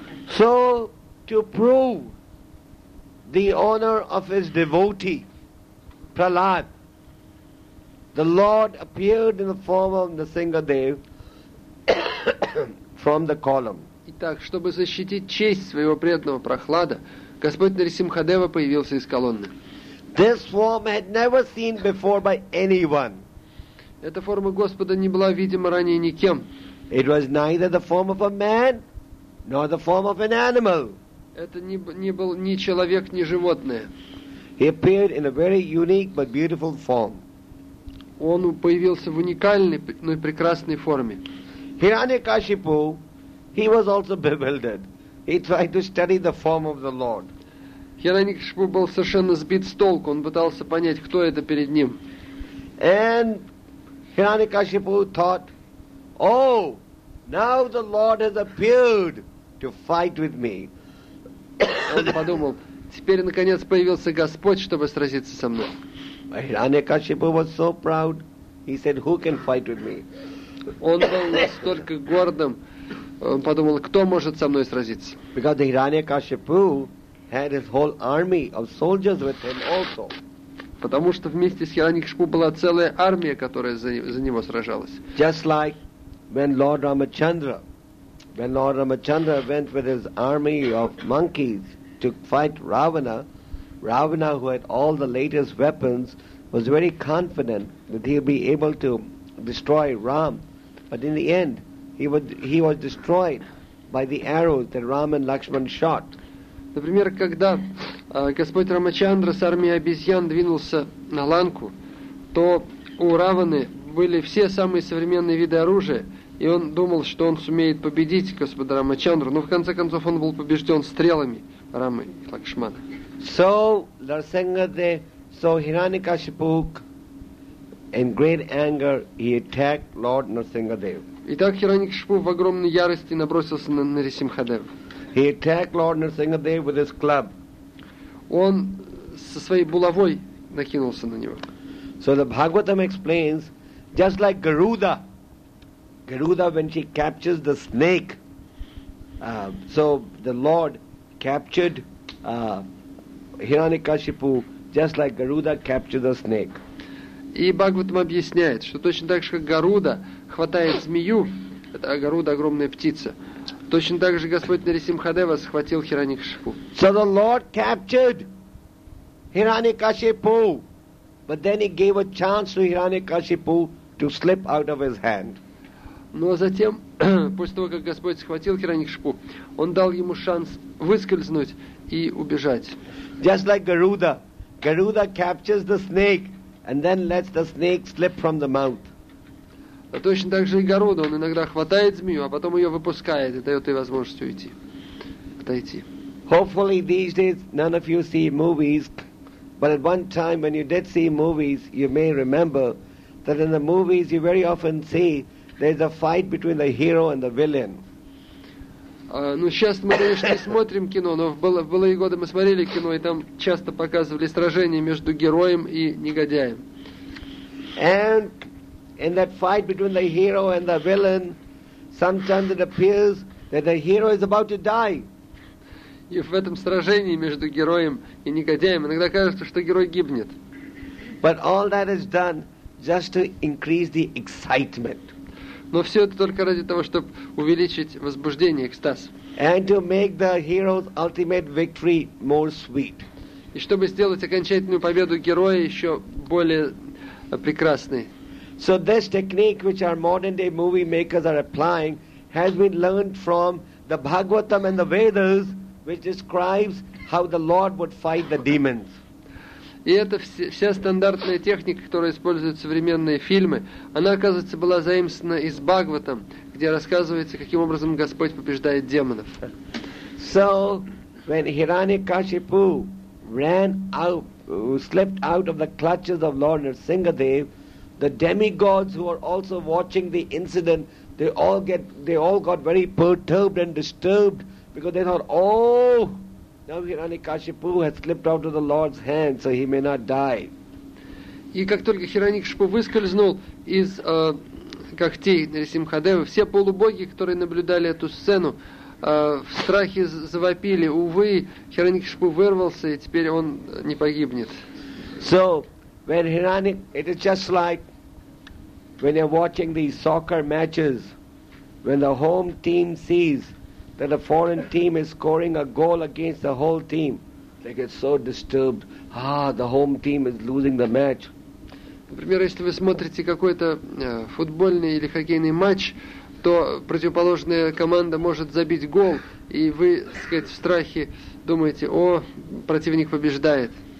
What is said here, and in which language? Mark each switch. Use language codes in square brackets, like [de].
[en] So, to prove the honor of his devotee, Prahlad, the Lord appeared in the form of Nrisimhadev from the column. [ru] Итак, чтобы защитить честь своего преданного Прохлада, Господь Нарисимхадева появился из колонны. [en] This form had never seen before by anyone. [ru] Эта форма Господа не была видима ранее никем. [en] It was neither the form of a man, nor the form of an animal. [ru] Это не был ни человек, ни животное. [en] He appeared in a very unique but beautiful form. [ru] Он появился в уникальной, но и прекрасной форме. [en] Hiranyakashipu, he was also bewildered. He tried to study the form of the Lord. [ru] Hiranyakashipu был совершенно сбит с толку. Он пытался понять, кто это перед ним. [en] And Hiranyakashipu thought, oh, now the Lord has appeared to fight with me. [ru] Он подумал, теперь наконец появился Господь, чтобы сразиться со мной. [en] Hiranyakashipu was so proud. He said, "Who can fight with me?" [ru] Он был настолько гордым. Он подумал, кто может со мной сразиться? [en] Because Hiranyakashipu had his whole army of soldiers with him also. [ru] Потому что вместе с Hiranyakashipu была целая армия, которая за него сражалась. [en] Just like when Lord Ramachandra went with his army of monkeys to fight Ravana. Ravana, who had all the latest weapons, was very confident that he would be able to destroy Ram. But in the end, he was destroyed by the arrows that Ram and Lakshman shot. [ru] Например, когда Господь Рамачандра с армией обезьян двинулся на Ланку, то у Раваны были все самые современные виды оружия, и он думал, что он сумеет победить Господа Рамачандру. Но в конце концов он был побежден стрелами Рамы и Лакшмана. [en] So Narsingadev So Hiranyakashipu, in great anger, he attacked Lord Narasimhadev. [ru] Итак, Хираньякшипу в огромной ярости набросился на Нарисимхадева. [en] He attacked Lord Narasimhadev with his club. [ru] Он со своей булавой накинулся на него. [en] So the Bhagavatam explains, just like Garuda, Garuda when she captures the snake, so the Lord captured Hiranyakashipu just like Garuda captured the snake. [ru] И Бхагаватам объясняет, что точно так же, как Гаруда хватает змею, это Гаруда – огромная птица, точно так же Господь Нарисимхадева схватил Хираньякшипу. [en] So the Lord captured Hiranyakashipu, but then he gave a chance to Hiranyakashipu to slip out of his hand. [ru] Но затем, после того, как Господь схватил Хираньякшипу, он дал ему шанс выскользнуть и убежать. [en] Just like Garuda. Garuda captures the snake and then lets the snake slip from the mouth. [ru] Точно так же и Гаруда, он иногда хватает змею, а потом ее выпускает и дает ей возможность уйти, отойти. [en] Hopefully these days none of you see movies, but at one time when you did see movies, you may remember that in the movies you very often see there's a fight between the hero and the villain. [ru] Ну, сейчас мы, конечно, не смотрим кино, но в былые годы мы смотрели кино, и там часто показывали сражения между героем и негодяем. [en] And in that fight between the hero and the villain, sometimes it appears that the hero is about to die. [ru] И в этом сражении между героем и негодяем иногда кажется, что герой гибнет. [en] But all that is done just to increase the excitement. [ru] Но все это только ради того, чтобы увеличить возбуждение, экстаз. [en] And to make the hero's ultimate victory more sweet. [ru] И чтобы сделать окончательную победу героя еще более прекрасной. [en] So this technique, which our modern-day movie makers are applying, has been learned from the Bhagavatam and the Vedas, which describes how the Lord would fight the demons. [ru] И эта вся стандартная техника, которую используют современные фильмы, она, оказывается, была заимствована из Бхагаватам, где рассказывается, каким образом Господь побеждает демонов. [en] So, when Hiranyakashipu ran out, slipped out of the clutches of Lord Narasimhadev, the demigods who were also watching the incident, they all got very perturbed and disturbed because they thought, oh. Now Hiranyakashipu had slipped out of the Lord's hand, so he may not die. [ru] И как только Хираньякшипу выскользнул из когтей Нарисимхадевы, все полубоги, которые наблюдали эту сцену, в страхе завопили. Увы, Хираньякшипу вырвался, и теперь он не погибнет. [en] So when it is just like when you're watching these soccer matches, when the home team sees that a foreign team is scoring a goal against the whole team, they get so disturbed. Ah, the home team is losing the match. [ru] Например, если вы смотрите какой-то футбольный или хоккейный матч, то противоположная команда может забить гол, и вы, так сказать, в страхе думаете, о, противник побеждает.